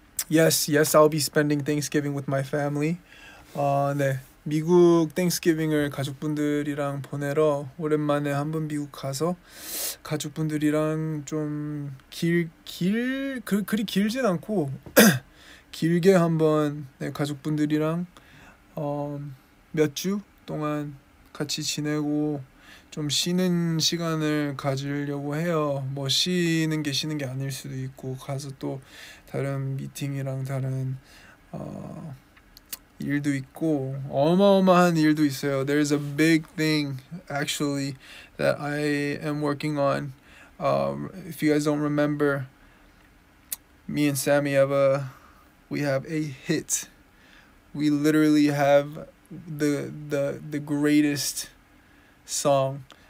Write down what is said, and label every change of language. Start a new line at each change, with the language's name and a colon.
English: Yes, yes, I'll be spending Thanksgiving with my family.
Korean: 네, 미국 Thanksgiving을 가족분들이랑 보내러 오랜만에 한번 미국 가서 가족분들이랑 좀 그리 길진 않고 길게 한번 네, 가족분들이랑 몇 주 동안 같이 지내고 좀 쉬는 시간을 가지려고 해요. 뭐 쉬는 게 아닐 수도 있고 가서 또 다른 미팅이랑 다른 일도 있고 어마어마한 일도 있어요.
English: There is a big thing actually that I am working on. If you guys don't remember, me and Sammy we have a hit. We literally have the greatest song.